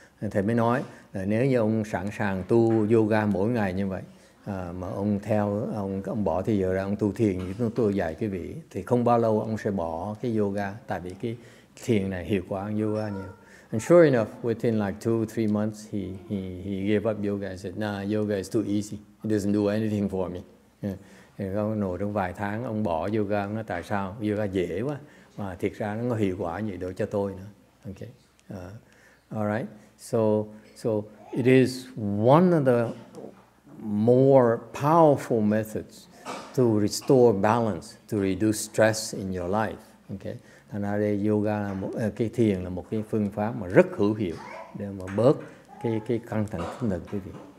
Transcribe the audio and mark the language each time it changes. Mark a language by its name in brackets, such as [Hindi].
[Vietnamese] Thầy mới nói là nếu như ông sẵn sàng tu yoga mỗi ngày như vậy, mà ông theo ông bỏ thì giờ ra ông tu thiền như tôi dạy quý vị, thì không bao lâu ông sẽ bỏ cái yoga, tại vì cái thiền này hiệu quả hơn yoga nhiều. [English] And sure enough, within like 2-3 months, he gave up yoga. He said, "Nah, yoga is too easy. It doesn't do anything for me." Yeah. [Vietnamese] Ông nổi trong vài tháng ông bỏ yoga, nó tại sao? Yoga dễ quá, mà thiệt ra nó có hiệu quả gì đâu cho tôi nữa. [English] Okay, all right. So it is one of the more powerful methods to restore balance, to reduce stress in your life. [Vietnamese] Okay, thành ra đây yoga là một cái thiền là một cái phương pháp mà rất hữu hiệu để mà bớt cái căng thẳng tinh thần quý vị.